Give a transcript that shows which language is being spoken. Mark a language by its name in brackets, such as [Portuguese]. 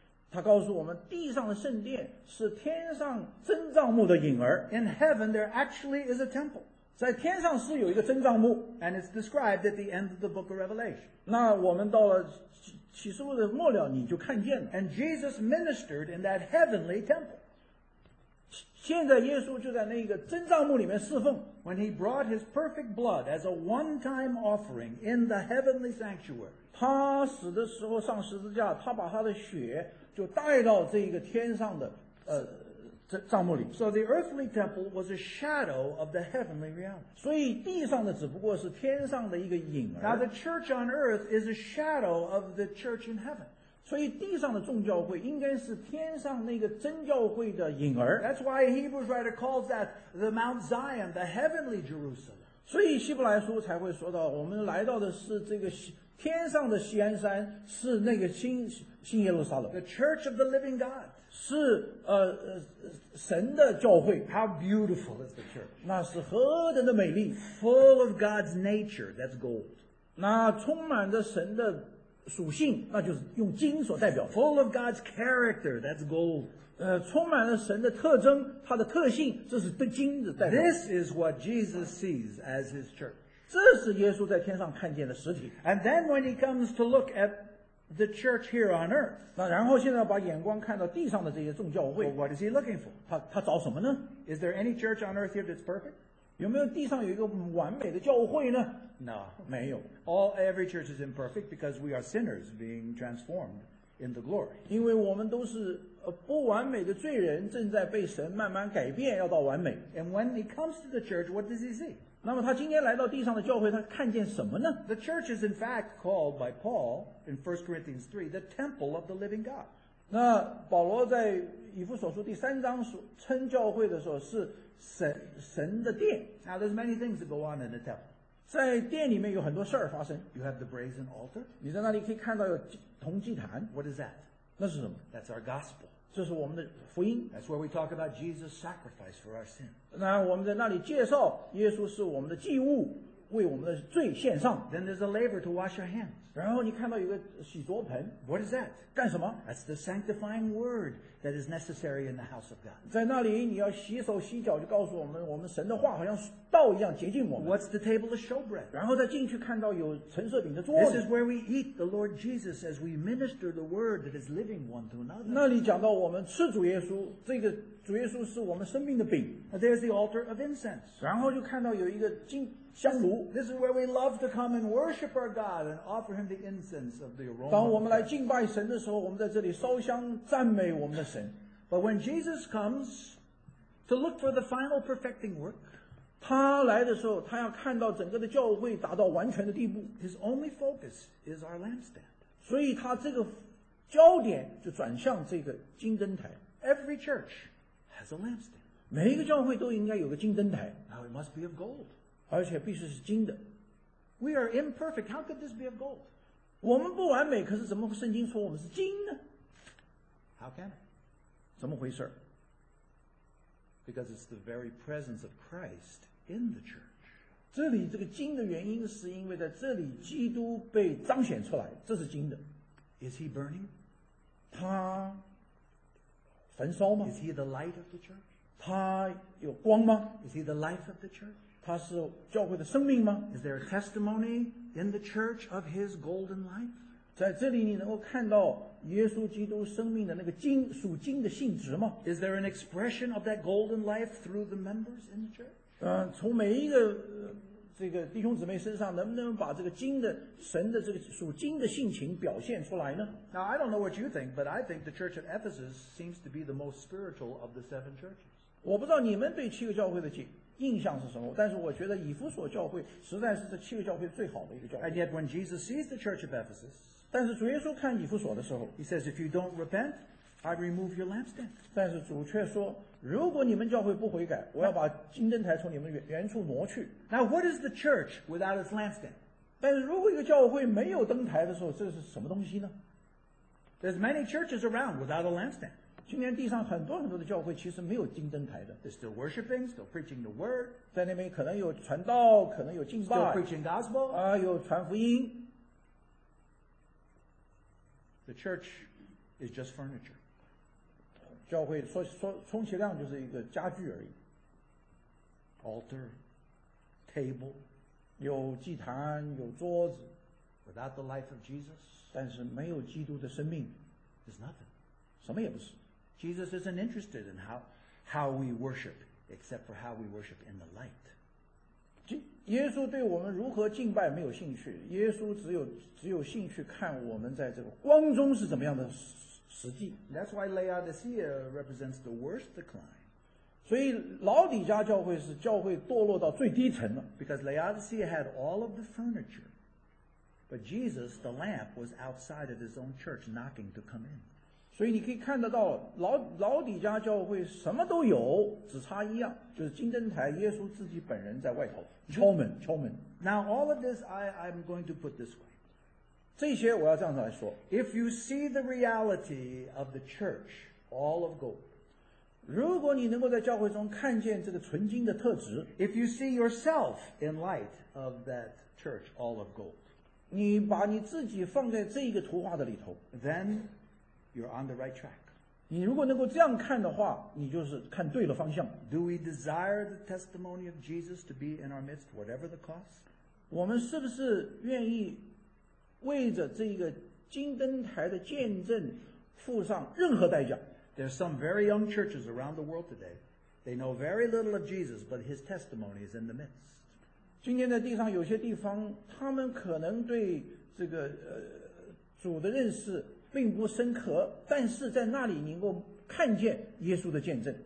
[Chinese] 他告诉我们，地上的圣殿是天上真帐幕的影儿。 [English] In heaven, there actually is a temple. [Chinese] 在天上是有一个真帐幕。 [English] And it's described at the end of the book of Revelation. [Chinese] 那我们到了启示录的末了你就看见了 [English] And Jesus ministered in that heavenly temple [Chinese] 现在耶稣就在那个真帐幕里面侍奉 [English] When he brought his perfect blood as a one-time offering in the heavenly sanctuary [Chinese] 他死的时候上十字架他把他的血就带到这个天上的帐幕里 [English] So the earthly temple was a shadow of the heavenly reality. [Chinese] 所以地上的只不过是天上的一个影儿。 [English] Now the church on earth is a shadow of the church in heaven. [Chinese] 所以地上的众教会应该是天上那个真教会的影儿。 [English] That's why a Hebrews writer calls that the Mount Zion, the heavenly Jerusalem. [Chinese] 所以希伯来书才会说到我们来到的是这个天上的锡安山是那个新耶路撒冷。 [English] The church of the living God. [Chinese] 是神的教会。 [English] How beautiful is the church? [Chinese] 那是何等的美丽。 [English] Full of God's nature, that's gold. [Chinese] 那充满着神的属性，那就是用金所代表。 [English] Full of God's character, that's gold. [Chinese] 充满了神的特征，他的特性，这是对金子代表。 [English] This is what Jesus sees as his church. [Chinese] 这是耶稣在天上看见的实体。 [English] And then when he comes to look at the church here on earth, [Chinese] 那然后现在把眼光看到地上的这些众教会。 [English] Well, what is he looking for? [Chinese] 他找什么呢？ [English] Is there any church on earth here that's perfect? [Chinese] 有没有地上有一个完美的教会呢？ [English] No, [Chinese] 没有。 [English] Every church is imperfect because we are sinners being transformed in the glory. [Chinese] 因为我们都是不完美的罪人，正在被神慢慢改变，要到完美。 [English] And when he comes to the church, what does he see? [Chinese] 那么他今天来到地上的教会，他看见什么呢？ [English] The church is in fact called by Paul in 1 Corinthians 3 the temple of the living God. [Chinese] 那保罗在以弗所书第三章称教会的时候是 神的殿。 [English] Now there's many things that go on in the temple. [Chinese] 在殿里面有很多事儿发生。 [English] You have the brazen altar. [Chinese] 你在那里可以看到有铜祭坛。 [English] What is that? [Chinese] 那是什么？ [English] That's our gospel. [Chinese] 这是我们的福音。 [English] That's where we talk about Jesus' sacrifice for our sin. [Chinese] 那我们在那里介绍耶稣是我们的祭物，为我们的罪献上。 [English] Then there's a laver to wash our hands. [Chinese] 然后你看到一个洗濯盆。 [English] What is that? [Chinese] 干什么？ [English] That's the sanctifying word that is necessary in the house of God. [Chinese] 在那里你要洗手洗脚，就告诉我们，我们神的话好像道一样洁净我们。 [English] What's the table of showbread? [Chinese] 然后再进去看到有陈设饼的桌子。 [English] This is where we eat the Lord Jesus as we minister the word that is living one to another. [Chinese] 那里讲到我们吃主耶稣，这个主耶稣是我们生命的饼。 [English] There's the altar of incense. [Chinese] 然后就看到有一个金香炉。 [English] This is where we love to come and worship our God and offer him the incense of the aroma. [Chinese] 当我们来敬拜神的时候，我们在这里烧香赞美我们的神。 [English] But when Jesus comes to look for the final perfecting work, [Chinese] 他来的时候，他要看到整个的教会达到完全的地步。 [English] His only focus is our lampstand. [Chinese] 所以他这个焦点就转向这个金灯台。 [English] Every church has a lampstand. [Chinese] 每一个教会都应该有个金灯台。 [English] Now it must be of gold. [Chinese] 而且必须是金的。 [English] We are imperfect. How could this be of gold? [Chinese] 我们不完美，可是怎么圣经说我们是金呢？ [English] How can it? [Chinese] 怎么回事？ [English] Because it's the very presence of Christ in the church. [Chinese] 这里这个金的原因是因为在这里基督被彰显出来，这是金的。 [English] Is he burning? [Chinese] 他焚烧吗？ [English] Is he the light of the church? [Chinese] 他有光吗？ [English] Is he the life of the church? [Chinese] 他是教会的生命吗？ [English] Is there a testimony in the church of his golden life? [Chinese] 在这里你能够看到耶稣基督生命的那个金属金的性质吗？ [English] Is there an expression of that golden life through the members in the church? [Chinese] 从每一个这个弟兄姊妹身上，能不能把这个金的神的这个属金的性情表现出来呢？ [English] Now I don't know what you think, but I think the church at Ephesus seems to be the most spiritual of the seven churches. [Chinese] 我不知道你们对七个教会的印象是什么，但是我觉得以弗所教会实在是这七个教会最好的一个教会。 [English] And yet when Jesus sees the church of Ephesus, [Chinese] 但是主耶稣看以弗所的时候 [English] He says, if you don't repent, I remove your lampstand. [Chinese] 但是主却说如果你们教会不悔改我要把金灯台从你们 原处挪去。 [English] Now what is the church without its lampstand? [Chinese] 但是如果一个教会没有灯台的时候这是什么东西呢？ [English] There's many churches around without a lampstand. [Chinese] 今天地上很多很多的教会其实没有金灯台的。 [English] They're still worshiping, still preaching the word. [Chinese] 在那边可能有传道，可能有敬拜。 [English] Still preaching gospel. [Chinese] 有传福音。 [English] The church is just furniture. [Chinese] 教会说充其量就是一个家具而已。 [English] Altar, table, [Chinese] 有祭坛，有桌子。 [English] Without the life of Jesus, [Chinese] 但是没有基督的生命 [English] is nothing. [Chinese] 什么也不是。 [English] Jesus isn't interested in how we worship, except for how we worship in the light. [Chinese] 耶稣对我们如何敬拜没有兴趣，耶稣只有兴趣看我们在这个光中是怎么样的实际。 [English] That's why Laodicea represents the worst decline. [Chinese] 所以老底家教会是教会堕落到最低层了。 [English] Because Laodicea had all of the furniture, but Jesus, the lamp, was outside of his own church knocking to come in. [Chinese] 所以你可以看得到 老底家教会什么都有，只差一样，就是金灯台，耶稣自己本人在外头。敲门，敲门。 [English] Now all of this, I'm going to put this way. [Chinese] 这些我要这样子来说。 [English] If you see the reality of the church all of gold. [Chinese] 如果你能够在教会中看见这个纯金的特质， [English] if you see yourself in light of that church, all of gold, [Chinese] 你把你自己放在这个图画的里头， [English] then you're on the right track. [Chinese] 你如果能够这样看的话，你就是看对了方向。 [English] Do we desire the testimony of Jesus to be in our midst, whatever the cost? [Chinese] 我们是不是愿意为着这个金灯台的见证付上任何代价？ [English] There are some very young churches around the world today. They know very little of Jesus, but his testimony is in the midst. [Chinese] 今天在地上有些地方，他们可能对这个主的认识并不深刻，但是在那里能够看见耶稣的见证。